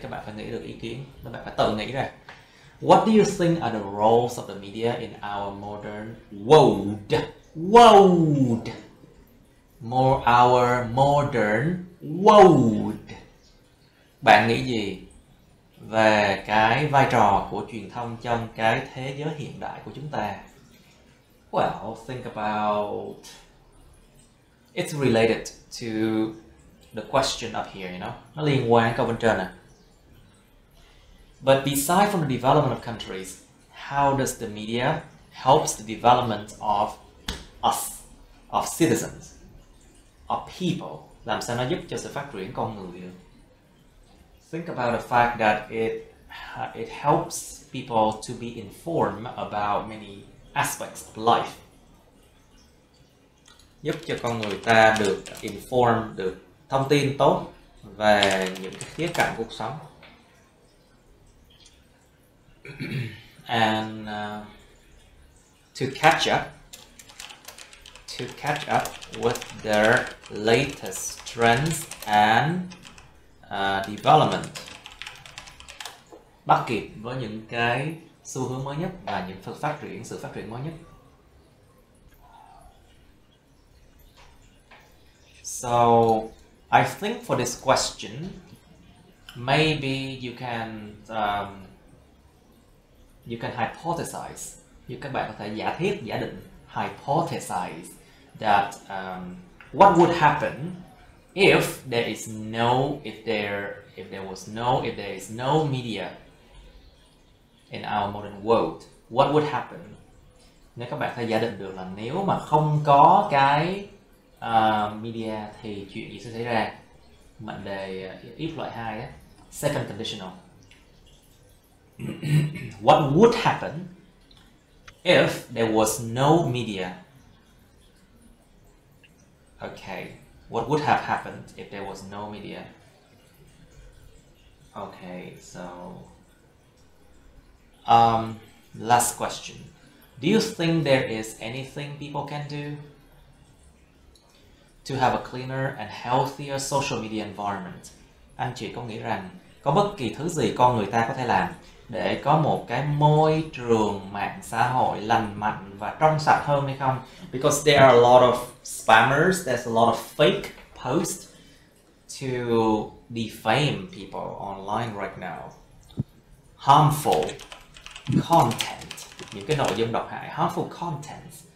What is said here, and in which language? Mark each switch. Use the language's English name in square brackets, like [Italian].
[Vietnamese] Các bạn phải nghĩ được ý kiến, các bạn phải tự nghĩ ra. [English] What do you think are the roles of the media in our modern world? World! More our modern world. [Vietnamese] Bạn nghĩ gì về cái vai trò của truyền thông trong cái thế giới hiện đại của chúng ta? [English] Well, think about... It's related to the question up here, you know? [Vietnamese] Nó liên quan câu bên trên à. [English] But besides from the development of countries, how does the media helps the development of us, of citizens, of people? [Vietnamese] Làm sao nó giúp cho sự phát triển con người? [English] Think about the fact that it helps people to be informed about many aspects of life. [Vietnamese] Giúp cho con người ta được informed, được thông tin tốt về những cái khía cạnh cuộc sống. [English] And to catch up with their latest trends and development. [Vietnamese] Bắt kịp với những cái xu hướng mới nhất và những phát triển, sự phát triển mới nhất. [English] So I think for this question, maybe you can hypothesize. You [Vietnamese] các bạn có thể giả thiết, giả định, [English] hypothesize that what would happen if there is no, if there is no media in our modern world. What would happen? [Vietnamese] Nếu các bạn có thể giả định được là nếu mà không có cái media thì chuyện gì sẽ xảy ra? Mệnh đề if loại 2 á, [English] second conditional. What would happen if there was no media? Okay, what would have happened if there was no media? Okay, so last question. Do you think there is anything people can do to have a cleaner and healthier social media environment? [Vietnamese] Anh chị có nghĩ rằng có bất kỳ thứ gì con người ta có thể làm để có một cái môi trường mạng xã hội lành mạnh và trong sạch hơn hay không? [English] Because there are a lot of spammers, there's a lot of fake posts to defame people online right now. Harmful content, [Vietnamese] những cái nội dung độc hại, [English] harmful content